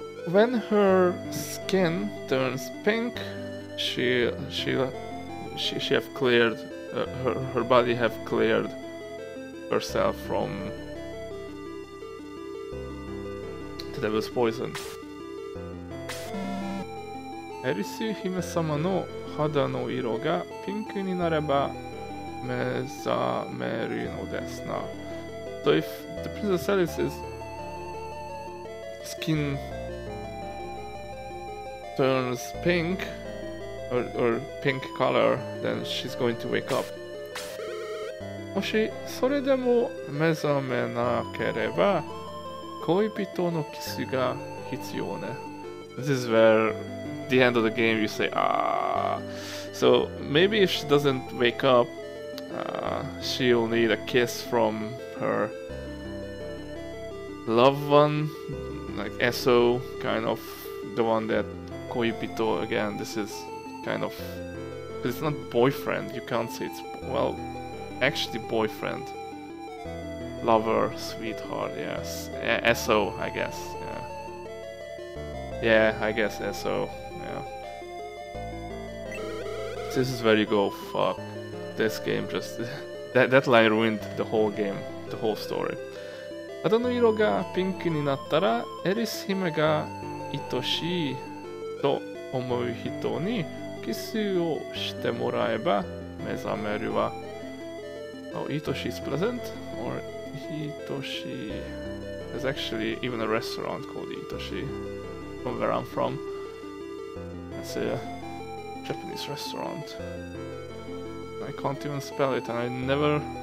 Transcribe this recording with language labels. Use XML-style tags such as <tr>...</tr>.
<en>When her skin turns pink, she have cleared, her body have cleared herself from the devil's poison.</en> <ja>エリス姫様の肌の色がピンクになれば目覚めるのですな。</ja> <en>So if the Princess Alice's skin turns pink or pink color, then she's going to wake up.</en> <ja>もしそれでも目覚めなければ恋人のキスが必要ね。</ja> <en>This is where the end of the game, you say, ah. So maybe if she doesn't wake up, she'll need a kiss from her loved one, like Esso, kind of the one that Koipito, again, this is kind of. But it's not boyfriend, you can't say it's. Well, actually, boyfriend. Lover, sweetheart, yes. Esso, I guess, yeah. Yeah, I guess Esso. This is where you go, fuck. This game just... that line ruined the whole game, the whole story.</en> <ja>肌の色がピンクになったら、エリス姫が愛しいと思う人にキスをしてもらえば目覚めるわ。愛しいプレゼント or 愛しい。</ja> <en>There's actually even a restaurant called 愛しい from where I'm from. That's it. Japanese restaurant. I can't even spell it, and I never.</en>